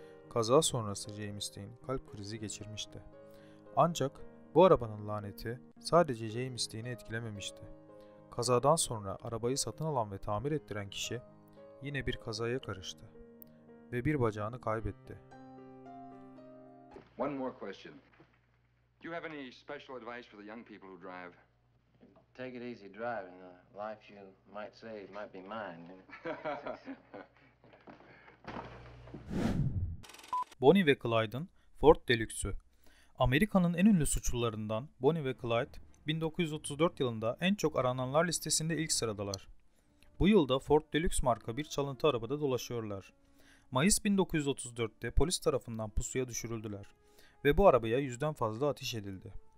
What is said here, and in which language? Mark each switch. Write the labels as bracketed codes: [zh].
[tr] Kaza sonrası James Dean kalp krizi geçirmişti. Ancak bu arabanın laneti sadece James Dean'i etkilememişti. Kazadan sonra arabayı satın alan ve tamir ettiren kişi yine bir kazaya karıştı ve bir bacağını kaybetti. [en] One more question. Do you have any special advice for the young people who drive? Take it easy driving. The life you might save might be mine. [tr] Bonnie ve Clyde'ın Ford Deluxe'ü. Amerika'nın en ünlü suçlularından Bonnie ve Clyde, 1934 yılında en çok arananlar listesinde ilk sıradalar. Bu yılda Ford Deluxe marka bir çalıntı arabada dolaşıyorlar. Mayıs 1934'te polis tarafından pusuya düşürüldüler ve bu arabaya 100'den fazla ateş edildi.